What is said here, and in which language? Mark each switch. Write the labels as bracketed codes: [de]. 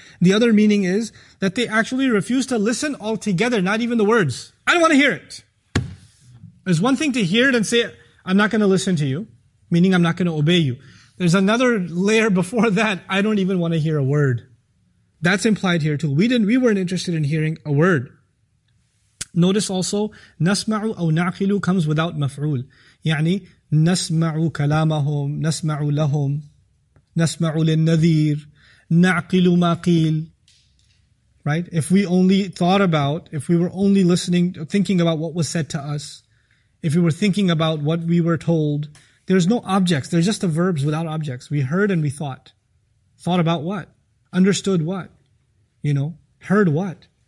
[en] The other meaning is that they actually refuse to listen altogether, not even the words. I don't want to hear it. There's one thing to hear it and say, I'm not going to listen to you, meaning I'm not going to obey you. There's another layer before that. I don't even want to hear a word. That's implied here too. We weren't interested in hearing a word. Notice also, [ar] نَسْمَعُ أَوْ نَعْقِلُ [en] comes without مَفْعُولُ. [ar] يعني, نسمع كلامهم، نسمع لهم، نسمع للنذير، نعقل ما قيل. [en] Right? If we only thought about, if we were only listening, thinking about what was said to us, if we were thinking about what we were told, there's no objects. There's just the verbs without objects. We heard and we thought. Thought about what? Understood what? You know, heard what?